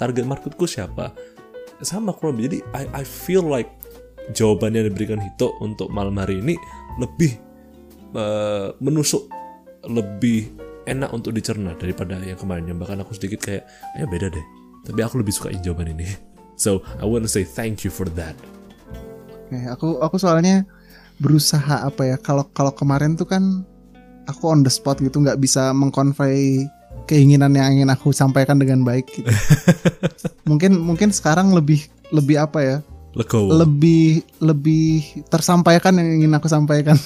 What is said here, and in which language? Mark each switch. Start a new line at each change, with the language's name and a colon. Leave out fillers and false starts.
Indonesian: Target marketku siapa? Sama kurang. Jadi
English: I feel like
Indonesian: jawaban yang diberikan Hito untuk malam hari ini lebih menusuk, lebih enak untuk dicerna daripada yang kemarin. Bahkan aku sedikit kayak ya beda deh, tapi aku lebih suka jawaban ini.
English: So I wanna say thank you for that.
Indonesian: Aku soalnya berusaha apa ya, kalau kemarin tuh kan aku
English: on the spot
Indonesian: gitu, gak bisa mengkonvey keinginan yang ingin aku sampaikan dengan baik gitu. mungkin sekarang lebih apa ya, legowo, lebih tersampaikan yang ingin aku sampaikan.